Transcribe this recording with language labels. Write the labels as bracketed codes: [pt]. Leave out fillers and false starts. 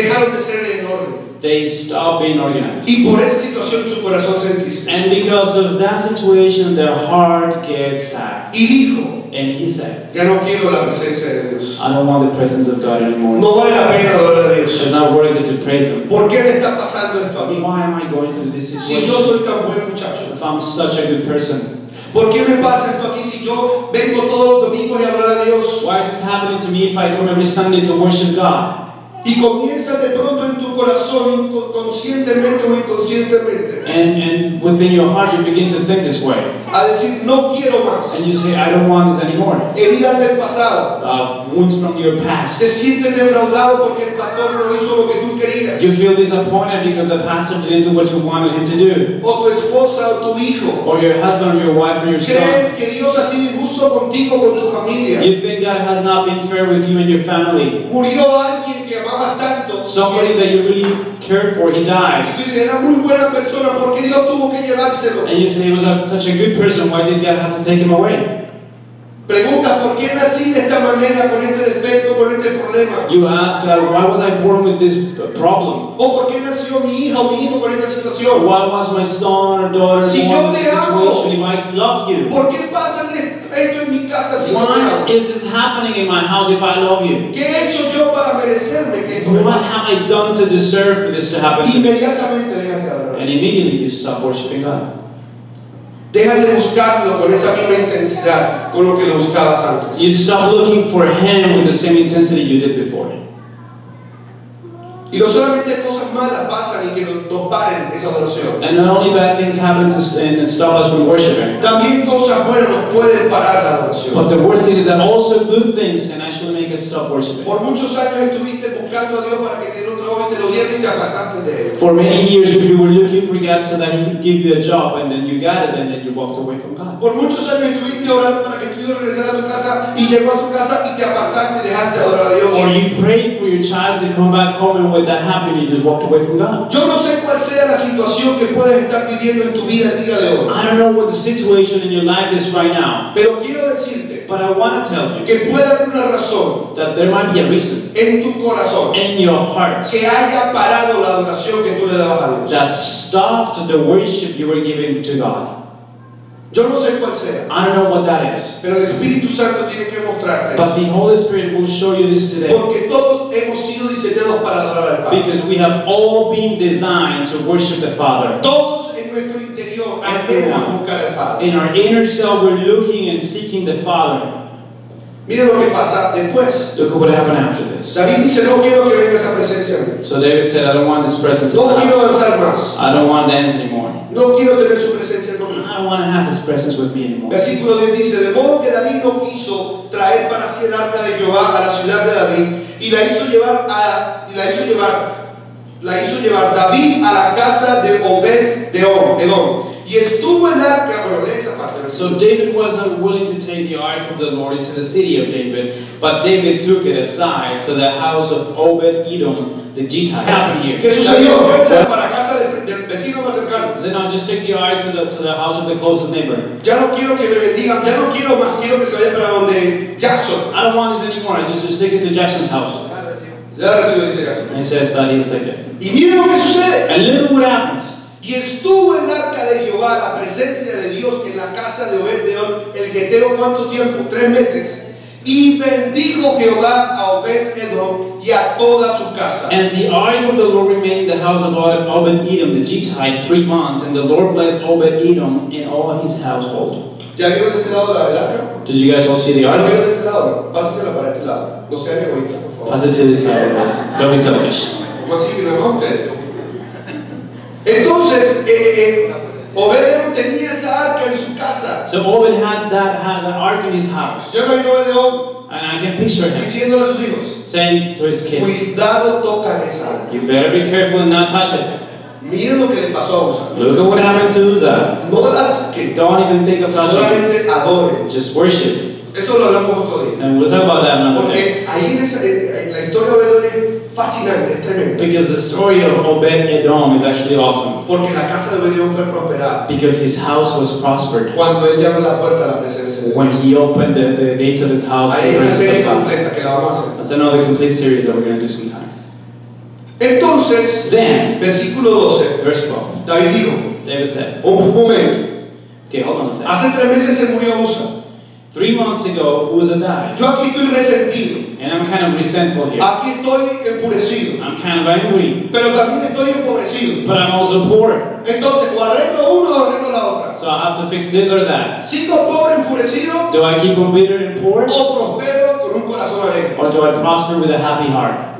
[es] Dejaron de ser en orden. [en] They stop being organized. [es] Y por esa situación, su corazón se entristece. [en] And because of that situation, their heart gets sad. [es] Y dijo, [en] and he said, [es] ya no quiero la presencia de Dios. [en] I don't want the presence of God anymore. [es] No vale la pena adorar a Dios. [en] It's not worth it to praise Him. [es] ¿Por qué me está pasando esto a mí? [en] Why am I going through this situation? [es] Si yo soy tan buen muchacho. [en] If I'm such a good person. [es] ¿Por qué me pasa esto aquí si yo vengo todos los domingos y adoro a Dios? [en] Why is this happening to me if I come every Sunday to worship God? [es] Y comienza de pronto en tu corazón, conscientemente o inconscientemente. [en] And within your heart you begin to think this way. [es] A decir, no quiero más. [en] And you say, I don't want this anymore. [es] Heridas del pasado. [en] Wounds from your past. [es] Te sientes defraudado porque el pastor no hizo lo que tú querías. [en] You feel disappointed because the pastor didn't do what you wanted him to do. [es] O tu esposa o tu hijo. [en] Or your husband or your wife or your son. [es] ¿Crees que Dios ha sido injusto contigo o con tu familia? [en] You think God has not been fair with you and your family. [es] Murió alguien que amabas tanto. [en] Somebody that you really cared for, he died. [es] Y tú dices, era muy buena persona, ¿por qué Dios tuvo que llevárselo? [en] And you say, he was such a good person, why did God have to take him away? [es] Pregunta, ¿por qué nací de esta manera, con este defecto, con este problema? [en] You ask, why was I born with this problem? [es] ¿O por qué nació mi hija o mi hijo con esta situación? [en] Why was my son or daughter [es] si [en] born [es] yo te [en] in this [es] amo, [en] situation? He might love you. [es] ¿Por qué pasan esto en mi casa si [en] Why is this happening in my house if I love you? [es] ¿Qué he hecho yo para merecerme que esto me [en] What have I done to deserve for this to happen to me? [es] Inmediatamente deja de adorar. [en] And immediately you stop worshiping God. [es] Deja de buscarlo con esa misma intensidad con lo que lo buscabas antes. [en] You stop looking for Him with the same intensity you did before. [es] Y no solamente cosas malas pasan y que nos paren esa adoración. [en] And not only bad things happen to and stop us from worshiping. [es] También cosas buenas nos pueden parar la adoración. [en] But the worst thing is that also good things can actually make us stop worshiping. [es] Por muchos años estuviste buscando a Dios para que te diera un trabajo y te lo dieron y te apartaste de él. [en] For many years you were looking for God so that He could give you a job and then you got it and then you walked away from God. [es] Por muchos años estuviste orando para que tu hijo regresara a tu casa y llegó a tu casa y te apartaste y dejaste adorar a Dios. [en] Or you prayed for your child to come back home and that happened, you just walked away from God. [es] Yo no sé cuál sea la situación que puedes estar viviendo en tu vida el día de hoy. [en] I don't know what the situation in your life is right now. [es] Pero quiero decirte, [en] but I want to tell you [es] que puede haber una razón, [en] that there might be a reason [es] en tu corazón, [en] in your heart, [es] que haya parado la adoración que tú le dabas a Dios. [en] That stopped the worship you were giving to God. [es] Yo no sé cuál sea. [en] I don't know what that is. [es] Pero el Espíritu Santo tiene que mostrarte. [en] But the Holy Spirit will show you this today. [es] Porque todos hemos sido diseñados para adorar al Padre. [en] Because we have all been designed to worship the Father. [es] Todos en nuestro interior andamos a buscar al Padre. [en] In our inner self, we're looking and seeking the Father. [es] Mira lo que pasa después. [en] Look what happened after this. [es] David dice, no quiero que venga esa presencia. [en] So David said, I don't want this presence. [es] No quiero danzar más. [en] I don't want to dance anymore. [es] No quiero tener su presencia. [en] I don't want to have His presence with me anymore. [es] Versículo 10 dice, de modo que David no quiso traer para sí el arca de Jehová a la ciudad de David, y la hizo llevar David a la casa de Obed-Edom. Y estuvo el arca, bueno, lee esa parte. [en] So David was not willing to take the ark of the Lord into the city of David, but David took it aside to the house of Obed-Edom, the Gittite. What happened here? [es] ¿Qué sucedió? Para casa del vecino más cercano. [en] Then I'll just take the ark to the house of the closest neighbor. [es] Ya no quiero que me bendigan, ya no quiero más, quiero que se vaya para donde Jackson. [en] I don't want this anymore, I just take it to Jackson's house. [es] Ya recibo ese caso. [en] And he says that he'll take it. [es] Y mire lo que sucede. [en] And look what happens. [es] Y estuvo el arca de Jehová, la presencia de Dios, en la casa de Obed-Edom, el Geteo, ¿cuánto tiempo? 3 meses. Y bendijo Jehová a Obed-Edom y a toda su casa. [en] And the ark of the Lord remained in the house of Obed-Edom, the Gittite, 3 months, and the Lord blessed Obed-Edom in all his household. [es] ¿Ya vieron este lado del arca? [en] Did you guys all see the ark? [es] ¿Ya vieron este lado? Pásasela para este lado. No sean egoístas, por favor. [en] Pass it to this side, guys. Don't be selfish. [es] ¿Cómo así que no es ustedes? Entonces, Obed-Edom tenía esa arca en su casa. [en] So Obed had an ark in his house. [es] Yo me imagino Obed-Edom. [en] And I can picture him. [es] Diciéndole a sus hijos. [en] Saying to his kids. [es] Cuidado, toca esa arca. [en] You better be careful and not touch it. [es] Mira lo que le pasó a Uzzah. [en] Look at what happened to Uzzah. [es] No la toque. [en] Don't even think of touching. [es] Solamente adore. [en] Just worship. [es] Eso lo hablamos otro día. [en] And we'll talk about that another [es] Porque [en] day. [es] Porque ahí en esa, la historia de Obed-Edom es fascinante, es tremendo. [en] Because the story of Obed-Edom is actually awesome. [es] Porque la casa de Obed-Edom fue prosperada. [en] Because his house was prospered. [es] Cuando él llamó la puerta a la presencia de Dios. [en] When he opened the gates of his house. [es] Ahí una serie completa que la vamos a hacer. [en] That's another complete series that we're going to do sometime. [es] Entonces, [en] then, [es] versículo 12. [en] Verse 12. [es] David dijo. [en] David said. [es] Un momento. [en] Okay, hold on a second. [es] Hace 3 meses se murió Uzzah. [en] 3 months ago, Uzzah died. [es] Yo aquí estoy resentido. [en] And I'm kind of resentful here. [es] Aquí estoy enfurecido. [en] I'm kind of angry. [es] Pero también estoy empobrecido. [en] But I'm also poor. [es] Entonces, o arreglo uno o arreglo la otra. [en] So I have to fix this or that. [es] Sigo pobre, enfurecido. [en] Do I keep on bitter and poor? [es] O prospero con un corazón alegre. Or do I prosper with a happy heart?